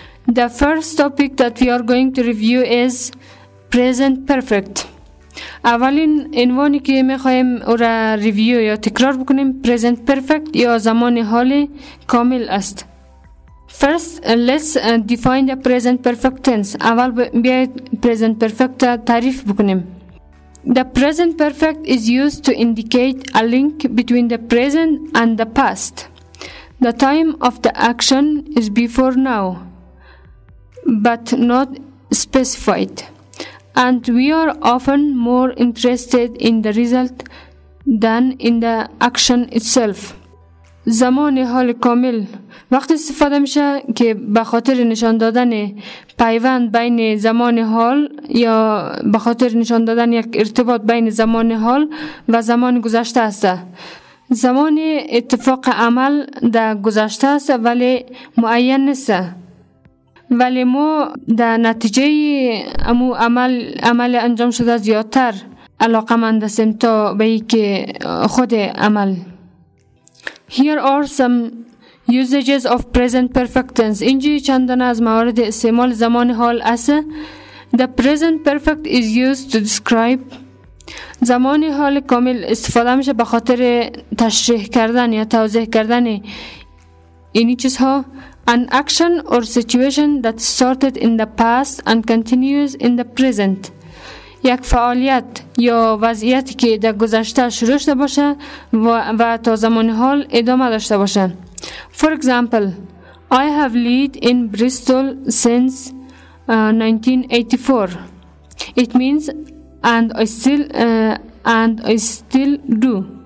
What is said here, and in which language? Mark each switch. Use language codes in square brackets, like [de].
[en] The first topic that we are going to review is present perfect. [fa] اولین عنوانی که میخوایم او را ریویو یا تکرار بکنیم present perfect یا زمان حال کامل است. [en] First, let's define the present perfect tense. [fa] اول بیاید present perfect تعریف بکنیم. [en] The present perfect is used to indicate a link between the present and the past. The time of the action is before now, but not specified. And we are often more interested in the result than in the action itself. [fa] زمان حال کامل وقتی استفاده میشه که به خاطر نشان دادن پیوند بین زمان حال یا به خاطر نشان دادن یک ارتباط بین زمان حال و زمان گذشته است. زمان اتفاق عمل در گذشته است ولی معین نیست. ولی ما در نتیجه امو عمل انجام شده زیادتر علاقه‌مند هستیم تا به اینکه خود عمل. [en] Here are some usages of present perfect tense. [fa] اینجی چند تا از موارد استعمال زمان حال است. [en] The present perfect is used to describe [fa] زمان حال کامل استفاده میشه به خاطر تشریح کردن یا توضیح کردن اینی چیزها. [en] An action or situation that started in the past and continues in the present. [fa] یک فعالیت یا وضعیتی که در گذشته شروع شده باشه و تا زمان حال ادامه داشته باشه. [en] For example, I have lived in Bristol since 1984. It means and I still do.